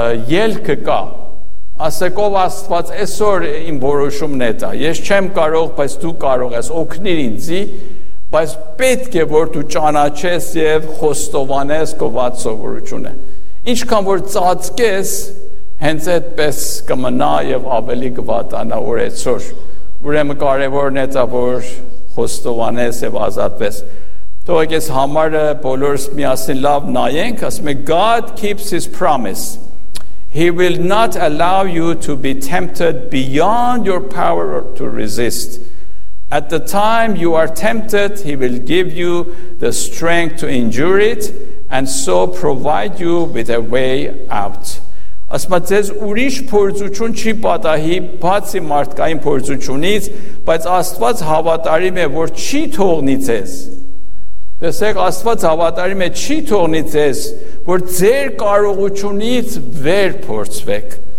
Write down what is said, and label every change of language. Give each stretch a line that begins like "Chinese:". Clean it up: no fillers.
Armenian: ելքը կա, ասեք, ով Աստված, այսօր իմ որոշումն է դա, ես չեմ կարող, բայց դու կարող ես, օգնիր ինձի, բայց պետք է, որ դու ճանաչես և խոստովանես քո վատ սովորությունը, ինչքան որ ծածկես, հենց այդպես կմնա և ավելի կվատանա օրեցոր։ Ուրեմն կարևորն է դա, որ խոստովանես և ազատվես։ Թողեք ես համարը բոլորս միասին լավ նայենք, ասում է,
English: God keeps his promise. He will not allow you to be tempted beyond your power to resist. At the time you are tempted, he will give you the strength to endure it and so provide you with a way out.
Armenian: Ասմացես ուրիշ փորձություն չի պատահի բացի մարդկային փորձությունից, բայց Աստված հավատարիմ է, որ չի թողնի ձեզ։ Տեսեք, Աստված հավատարիմ է, չի թողնի ձեզ, որ ձեր կարողությունից վեր փորձվեք։